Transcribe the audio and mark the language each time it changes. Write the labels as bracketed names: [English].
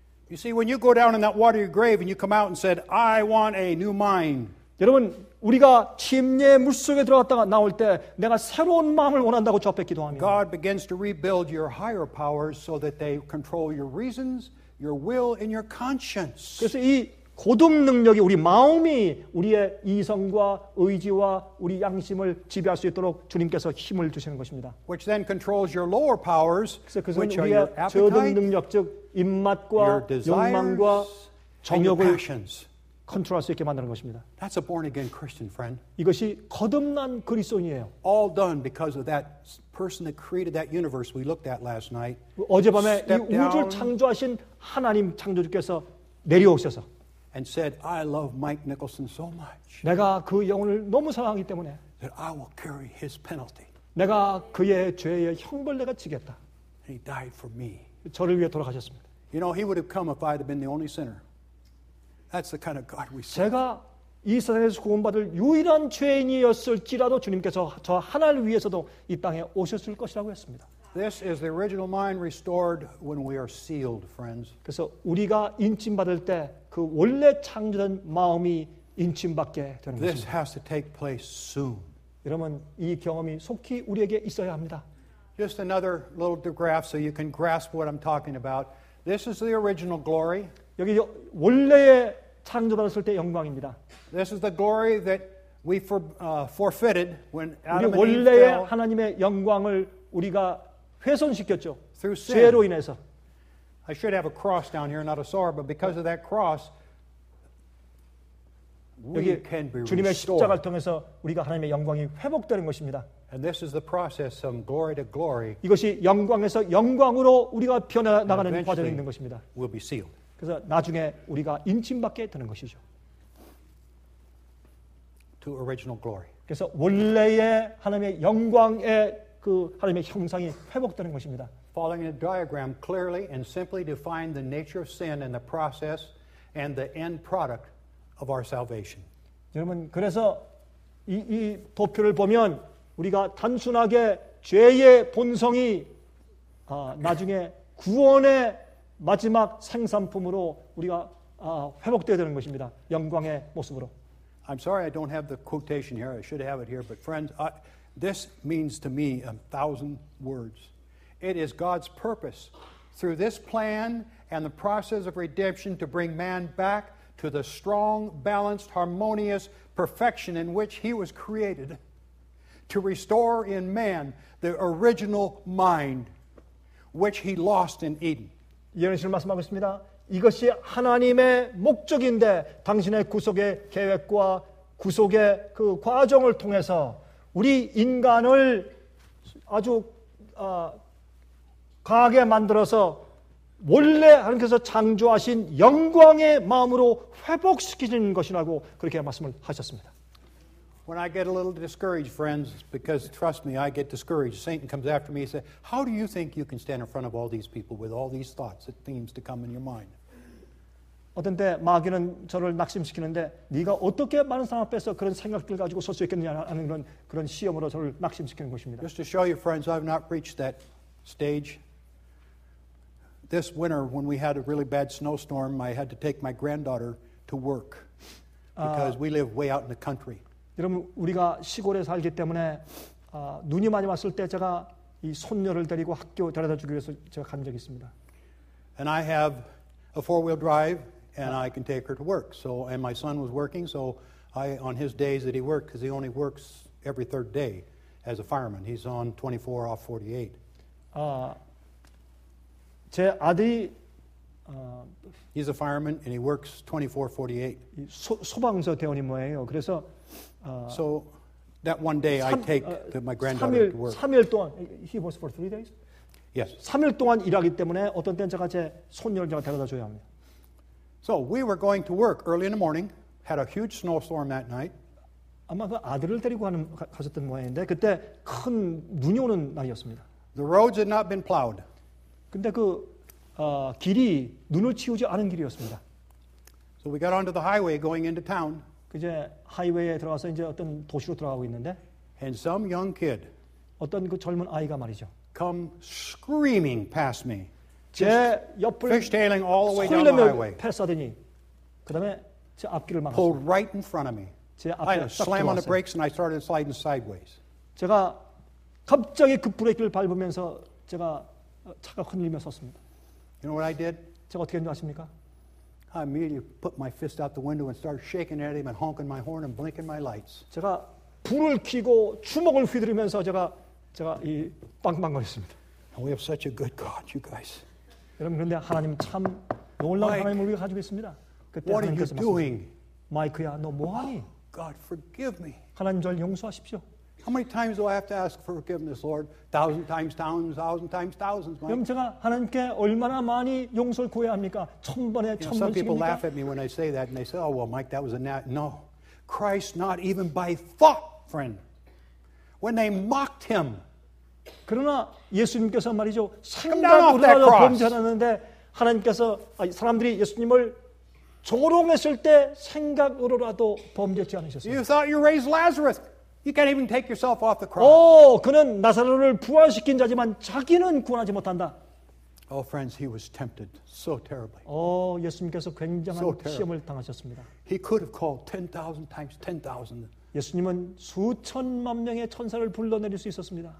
[English] You see, when you go down in that watery grave and you come out and said, "I want a new mind." [Korean] 여러분, 우리가 침례 물 속에 들어갔다가 나올 때 내가 새로운 마음을 원한다고 접해 기도합니다. [English] God begins to rebuild your higher powers so that they control your reasons. Your will and your conscience. [Korean] 그래서 이 고등 능력이 우리 마음이 우리의 이성과 의지와 우리 양심을 지배할 수 있도록 주님께서 힘을 주시는 것입니다. [English] Which then controls your lower powers, which are your appetite, [Korean] 그래서 우리의 저등 능력 즉 입맛과 욕망과 정욕을 컨트롤할 수 있게 만드는 것입니다. [English] That's a born again Christian friend. [Korean] 이것이 거듭난 그리스도인이에요. [English] All done because of that person that created that universe we looked at last night. [Korean] 어젯밤에 이 우주를 창조하신 하나님 창조주께서 내려오셔서 [English] and said I love Mike Nicholson so much. [Korean] 내가 그 영혼을 너무 사랑하기 때문에 [English] that I will carry his penalty. [Korean] 내가 그의 죄의 형벌 내가 지겠다. [English] He died for me. [Korean] 저를 위해 돌아가셨습니다. [English] You know he would have come if I had been the only sinner. That's the kind of God we serve. [Korean] 제가 이 세상에서 구원받을 유일한 죄인이었을지라도 주님께서 저 하나를 위해서도 이 땅에 오셨을 것이라고 했습니다. [English] This is the original mind restored when we are sealed, friends. [Korean] 그래서 우리가 인침 받을 때 그 원래 창조된 마음이 인침 받게 되는 [English] This [Korean] 것입니다. [English] This has to take place soon. [Korean] 여러분 이 경험이 속히 우리에게 있어야 합니다. [English] Just another little graph so you can grasp what I'm talking about. This is the original glory. [Korean] 여기 원래의 창조받았을 때 영광입니다. [English] This is the glory that we forfeited when Adam and Eve fell. [Korean] 우리 원래의 하나님의 영광을 우리가 훼손시켰죠. [English] Through sin. [Korean] 죄로 인해서. [English] I should have a cross down here, not a sword, but because of that cross, we can be restored. [Korean] 주님의 십자가를 통해서 우리가 하나님의 영광이 회복되는 것입니다. [English] And this is the process from glory to glory. [Korean] 이것이 영광에서 영광으로 우리가 변해 나가는 과정이 있는 것입니다. [English] We'll be sealed. [Korean] 그래서 나중에 우리가 임침받게 되는 것이죠. [English] To original glory. [Korean] 그래서 원래의 하나님의 영광의 그 하나님의 형상이 회복되는 것입니다. [English] Following a diagram clearly and simply define the nature of sin and the process and the end product of our salvation. [Korean] 여러분 그래서 이 도표를 보면 우리가 단순하게 죄의 본성이 나중에 구원의 마지막 생산품으로 우리가 회복되어야 되는 것입니다. 영광의 모습으로. [English] I'm sorry I don't have the quotation here. I should have it here. But friends, this means to me 1,000 words. It is God's purpose through this plan and the process of redemption to bring man back to the strong, balanced, harmonious perfection in which he was created. To restore in man the original mind which he lost in Eden. [Korean] 예언실 말씀하셨습니다. 이것이 하나님의 목적인데 당신의 구속의 계획과 구속의 그 과정을 통해서 우리 인간을 아주 강하게 만들어서 원래 하나님께서 창조하신 영광의 마음으로 회복시키는 것이라고 그렇게 말씀을 하셨습니다. [English] When I get a little discouraged, friends, because trust me, I get discouraged. Satan comes after me and says, how do you think you can stand in front of all these people with all these thoughts and themes to come in your mind? [Korean] 어떤 때 마귀는 저를 낙심시키는데 네가 어떻게 많은 사람 앞에서 그런 생각들 가지고 설 수 있겠느냐는 그런 시험으로 저를 낙심시키는 것입니다. [English] Just to show you, friends, I've not reached that stage. This winter, when we had a really bad snowstorm, I had to take my granddaughter to work because we live way out in the country. [Korean] 여러분 우리가 시골에 살기 때문에 눈이 많이 왔을 때 제가 이 손녀를 데리고 학교 데려다 주기 위해서 제가 간 적이 있습니다. [English] And I have a four-wheel drive and I can take her to work. So and my son was working, so I on his days that he worked, because he only works every third day as a fireman. He's on 24 off 48. [Korean] 제 아들이 [English] He's a fireman and he works 24 48. [Korean] 소방서 대원이 뭐예요? 그래서 [English] So that one day I take my granddaughter [Korean] 3일, [English] to work. [Korean] 3일 동안 [English] he works for 3 days? Yes. [Korean] 3일 동안 일하기 때문에 어떤 때는 제가 제 손녀를 제가 데려다 줘야 합니다. [English] So we were going to work early in the morning. Had a huge snowstorm that night. [Korean] 아마 그 아들을 데리고 가셨던 모양인데 그때 큰 눈이 오는 날이었습니다. [English] The roads had not been plowed. [Korean] 근데 그 길이 눈을 치우지 않은 길이었습니다. [English] So we got onto the highway going into town. [Korean] 이제 하이웨이에 들어가서 이제 어떤 도시로 들어가고 있는데 [English] And some young kid [Korean] 어떤 그 젊은 아이가 말이죠. [English] Come screaming past me. [Korean] 제 옆을 [English] fishtailing all the way down the highway. [Korean] 패서더니 그다음에 제 앞길을 막았어요. [English] Pulled right in front of me. [Korean] 제 앞에 [English] I slam on the brakes and I started sliding sideways. [Korean] 제가 갑자기 그 브레이크를 밟으면서 제가 차가 흔들리며 섰습니다. [English] You know what I did? [Korean] 제가 어떻게 했는지 아십니까? [English] I immediately put my fist out the window and started shaking at him and honking my horn and blinking my lights. [Korean] 제가 불을 켜고 주먹을 휘두르면서 제가 이 빵빵거렸습니다. [English] We have such a good God, you guys. [Korean] 여러분 그런데 하나님 참 놀라운 하나님을 우리가 가지고 있습니다. 그때 [English] What are you doing, [Korean] 마이크야? 너 뭐하니? [English] God, forgive me. [Korean] 하나님 저를 용서하십시오. [English] How many times do I have to ask for forgiveness, Lord? Thousand times, thousands, thousand times, thousands. [Korean] 그럼 제가 하나님께 얼마나 많이 용서를 구해야 합니까? 천 번에 천 번씩입니까? [English] Some people laugh at me when I say that, and they say, "Oh, well, Mike, that was a nat." No, Christ, not even by thought, friend. When they mocked him. [Korean] 그러나 예수님께서 말이죠. 생각으로라도 범죄하는데 하나님께서 사람들이 예수님을 조롱했을 때 생각으로라도 범죄치 않으셨어요. [English] You thought you raised Lazarus. You can't even take yourself off the cross. [Korean] 오, 그는 나사로를 부활시킨 자지만 자기는 구원하지 못한다. [English] Oh, friends, he was tempted so terribly. [Korean] 오, 예수님께서 굉장한 시험을 당하셨습니다. [English] He could have called 10,000 times 10,000. [Korean] 예수님은 수천만 명의 천사를 불러내릴 수 있었습니다.